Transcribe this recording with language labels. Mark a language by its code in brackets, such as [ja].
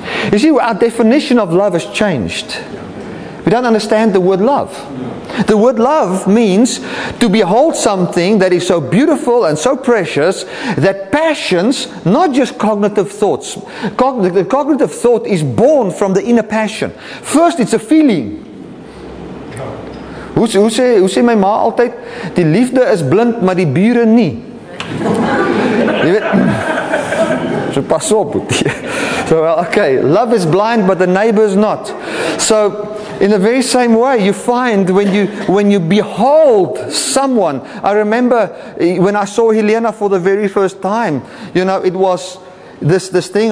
[en] You see, our definition of love has changed. We don't understand the word love. The word love means to behold something that is so beautiful and so precious that passions, not just cognitive thoughts. The cognitive thought is born from the inner passion. First, it's a feeling. [af] Hoe sê my ma altyd, die liefde is blind, maar die bure nie. Jy weet, so pas op. [en] So, okay, love is blind, but the neighbor is not. So, in the very same way, you find when you behold someone. I remember when I saw Helena for the very first time, you know, it was this thing.